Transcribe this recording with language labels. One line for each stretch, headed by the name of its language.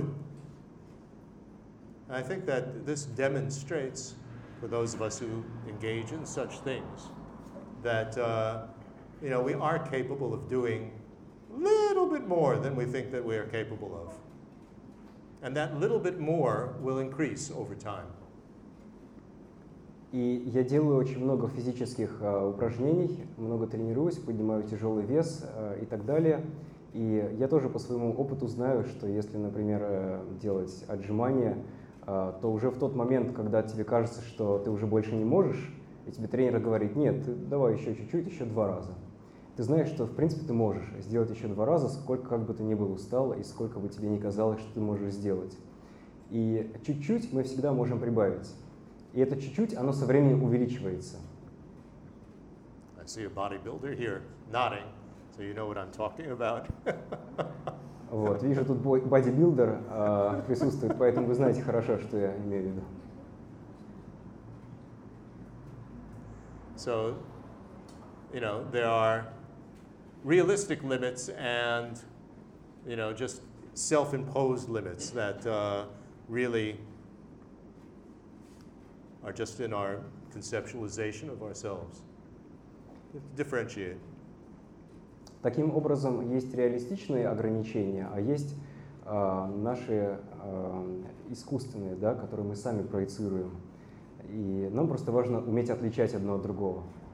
English: And I think that this demonstrates, for those of us who engage in such things, that, you know, we are capable of doing a little bit more than we think that we are capable of. And that little bit more will increase over time.
Russian: И я делаю очень много физических упражнений, много тренируюсь, поднимаю тяжелый вес и так далее. И я тоже по своему опыту знаю, что если, например, делать отжимания, то уже в тот момент, когда тебе кажется, что ты уже больше не можешь, и тебе тренер говорит, нет, давай еще чуть-чуть, еще 2 раза. Ты знаешь, что в принципе ты можешь сделать еще 2 раза, сколько как бы ты ни был устал и сколько бы тебе ни казалось, что ты можешь сделать. И чуть-чуть мы всегда можем прибавить. И это чуть-чуть, оно со временем увеличивается.
English: I see a bodybuilder here nodding, so you know what I'm talking about.
Russian: Вот, вижу тут бодибилдер присутствует, поэтому вы знаете хорошо, что я имею в виду.
English: So, you know, there are realistic limits and, you know, just self-imposed limits that really are just in our conceptualization of ourselves. Differentiate.
Russian: Таким образом, есть реалистичные ограничения, а есть наши искусственные, да, которые мы сами проецируем. И нам просто важно уметь отличать одно от другого.